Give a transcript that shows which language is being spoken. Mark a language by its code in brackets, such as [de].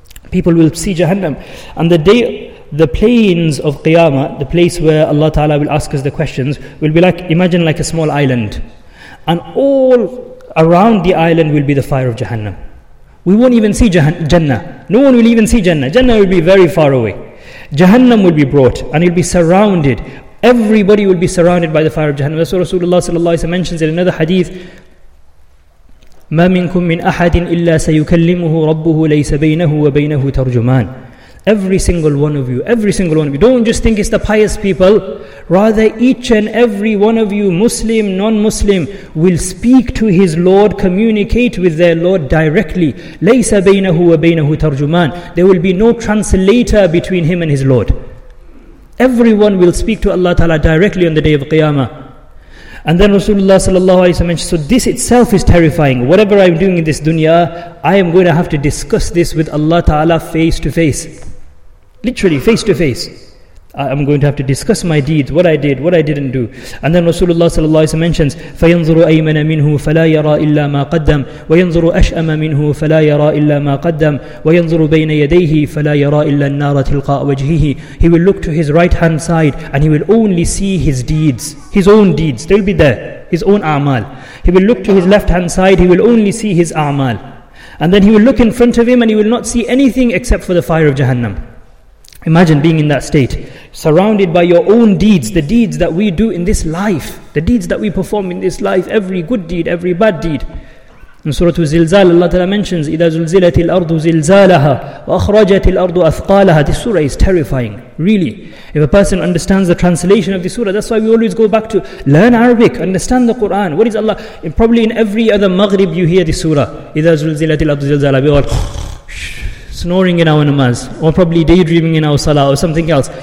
[en] People will see Jahannam. And the day, the plains of Qiyamah, the place where Allah Ta'ala will ask us the questions, will be like, imagine like a small island. And all around the island will be the fire of Jahannam. We won't even see Jannah. No one will even see Jannah. Jannah will be very far away. Jahannam will be brought and it will be surrounded. Everybody will be surrounded by the fire of Jahannam. So Rasulullah sallallahu alaihi wasallam mentions in another hadith, [ar] "ما منكم من أحد إلا سيكلمه ربه ليس بينه وبينه ترجمان." [en] Every single one of you, every single one of you. Don't just think it's the pious people. Rather, each and every one of you, Muslim, non-Muslim, will speak to his Lord, communicate with their Lord directly. [ar] لَيْسَ بَيْنَهُ وَبَيْنَهُ تَرْجُمَانَ. [en] There will be no translator between him and his Lord. Everyone will speak to Allah Ta'ala directly on the day of Qiyamah. And then Rasulullah sallallahu alayhi wa sallam mentioned, so this itself is terrifying. Whatever I'm doing in this dunya, I am going to have to discuss this with Allah Ta'ala face to face. Literally, face to face. I'm going to have to discuss my deeds, what I did, what I didn't do. And then Rasulullah sallallahu alayhi wa sallam mentions, [ar] فَيَنْظُرُ أَيْمَنَ مِنْهُ فَلَا يَرَى إِلَّا مَا قَدَّمْ وَيَنْظُرُ أَشْأَمَ مِنْهُ فَلَا يَرَى إِلَّا مَا قَدَّمْ وَيَنْظُرُ بَيْنَ يَدَيْهِ فَلَا يَرَى إِلَّا النَّارَ تِلْقَاءَ وَجْهِهِ. [en] He will look to his right hand side and he will only see his deeds, his own deeds. They'll be there, his own a'mal. He will look to his left hand side, he will only see his a'mal. And then he will look in front of him and he will not see anything except for the fire of Jahannam. Imagine being in that state, surrounded by your own deeds, the deeds that we do in this life, the deeds that we perform in this life, every good deed, every bad deed. In Surah Al-Zilzal, Allah Ta'ala mentions, [ar] إِذَا زُلْزِلَتِ الْأَرْضُ زِلْزَالَهَا وَأَخْرَجَتِ الْأَرْضُ أَثْقَالَهَا. [en] This surah is terrifying, really. If a person understands the translation of this surah, that's why we always go back to learn Arabic, understand the Quran. What is Allah? Probably in every other Maghrib you hear this surah, [ar] إِذَا زُلْزِلَتِ الْأَرْضُ زِلْزَالَهَا. [en] We all snoring in our namaz, or probably daydreaming in our salah, or something else.